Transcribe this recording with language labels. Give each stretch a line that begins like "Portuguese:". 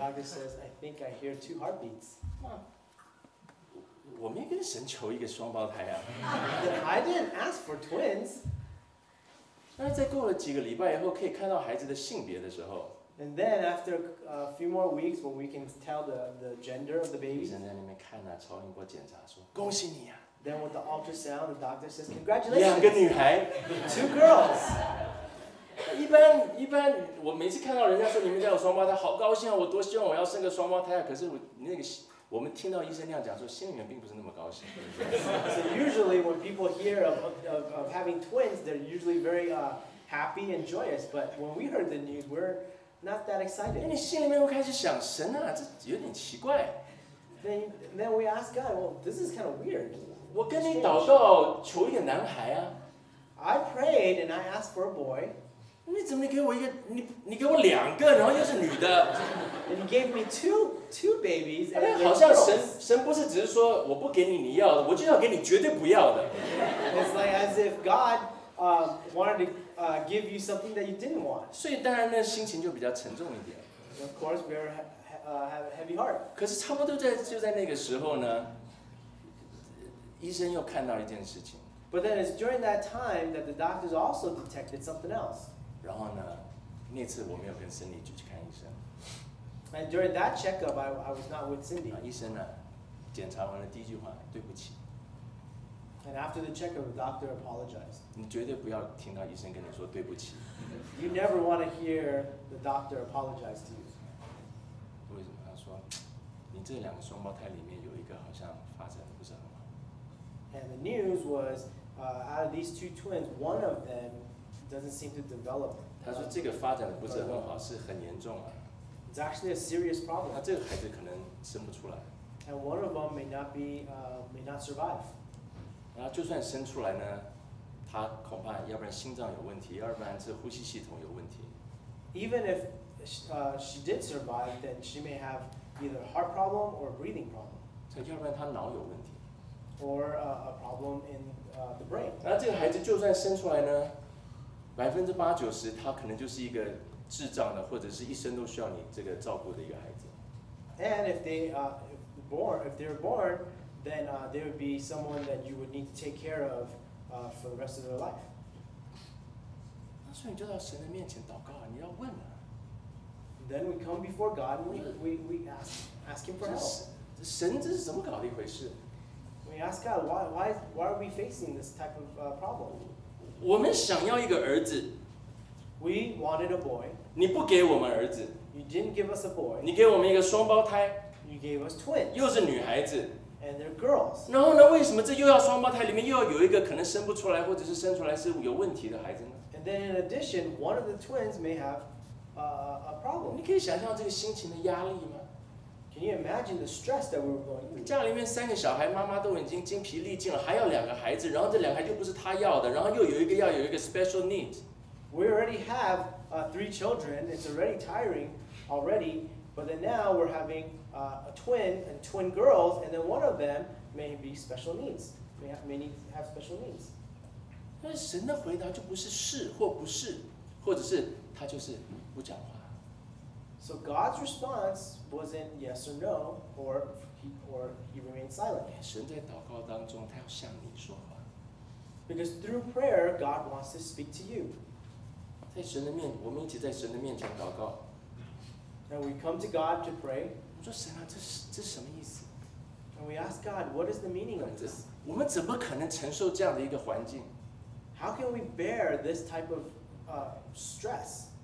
English: doctor says, I think I hear two heartbeats.
Chinese: 我没跟神求一个双胞胎啊。
English: I didn't ask for twins.
Chinese: 但是在过了几个礼拜以后，可以看到孩子的性别的时候。
English: And then after a few more weeks, when we can tell the gender of the baby.
Chinese: 医生在那边看啊，超音波检查说，恭喜你啊。
English: Then with the ultrasound, the doctor says, congratulations.
Chinese: 两个女孩。
English: Two girls.
Chinese: 一般我每次看到人家说你们家有双胞胎，好高兴啊，我多希望我要生个双胞胎啊，可是我那个。我们听到医生那样讲说，心里面并不是那么高兴。
English: So usually when people hear of having twins, they're usually very happy and joyous. But when we heard the news, we're not that excited.
Chinese: 因为你心里面又开始想，神啊，这有点奇怪。
English: Then we ask God, well, this is kind of weird.
Chinese: 我跟你祷告求一个男孩啊。
English: I prayed and I asked for a boy.
Chinese: 你怎么给我一个？你给我两个，然后又是女的。
English: And he gave me two babies.
Chinese: 好像神不是只是说我不给你你要的，我就要给你绝对不要的。
English: It's like as if God wanted to give you something that you didn't want.
Chinese: 所以当然呢，心情就比较沉重一点。
English: Of course, we have a heavy heart.
Chinese: 可是差不多就在那个时候呢，医生又看到一件事情。
English: But then it's during that time that the doctors also detected something else.
Chinese: 然后呢，那次我没有跟森妮去看医生。
English: And during that checkup, I was not with Cindy.
Chinese: 医生呢，检查完了第一句话，对不起。
English: And after the checkup, the doctor apologized.
Chinese: 你绝对不要听到医生跟你说对不起。
English: You never want to hear the doctor apologize to you.
Chinese: 为什么？他说，你这两个双胞胎里面有一个好像发展的不是很好。
English: And the news was, out of these two twins, one of them doesn't seem to develop.
Chinese: 他说这个发展的不是很好，是很严重啊。
English: It's actually a serious problem.
Chinese: 他这个孩子可能生不出来。
English: And one of them may not survive.
Chinese: 然后就算生出来呢，他恐怕要不然心脏有问题，要不然是呼吸系统有问题。
English: Even if she did survive, then she may have either heart problem or breathing problem.
Chinese: 这要不然他脑有问题。
English: Or a problem in the brain.
Chinese: 然后这个孩子就算生出来呢，80%-90%他可能就是一个。智障的，或者是一生都需要你这个照顾的一个孩子。
English: And if they if they're born, then they would be someone that you would need to take care of for the rest of their life.
Chinese: 那所以你就到神的面前祷告，你要问啊。
English: Then we come before God and we ask him for help.
Chinese: 神这是怎么搞的一回事
English: ？We ask God why are we facing this type of problem?
Chinese: 我们想要一个儿子。
English: We wanted a boy.
Chinese: 你不给我们儿子。
English: You didn't give us a boy.
Chinese: 你给我们一个双胞胎。
English: You gave us twins.
Chinese: 又是女孩子。
English: And they're girls.
Chinese: 然后呢？为什么这又要双胞胎？里面又要有一个可能生不出来，或者是生出来是有问题的孩子呢
English: ？And then in addition, one of the twins may have a problem.
Chinese: 你可以想象这个心情的压力吗
English: ？Can you imagine the stress that we were going through?
Chinese: 家里面三个小孩，妈妈都已经精疲力尽了，还要两个孩子，然后这两个孩子又不是他要的，然后又有一个要有一个
English: special needs。 We already have three children. It's already tiring, already. But then now we're having a twin and twin girls, and then one of them may be special needs. May have special needs.
Chinese: 那神的回答就不是是或不是，或者是他就是不讲话。
English: So God's response wasn't yes or no, or he remained silent.
Chinese: 神在祷告当中，他要向你说话。
English: Because through prayer, God wants to speak to you.
Chinese: 在神的面，我们一起在神的面前祷告。
English: And we come to God to pray.
Chinese: 我说神啊，这什么意思
English: ？And we ask God, what is the meaning of this?
Chinese: 我们怎么可能承受这样的一个环境
English: ？How can we bear this type of stress?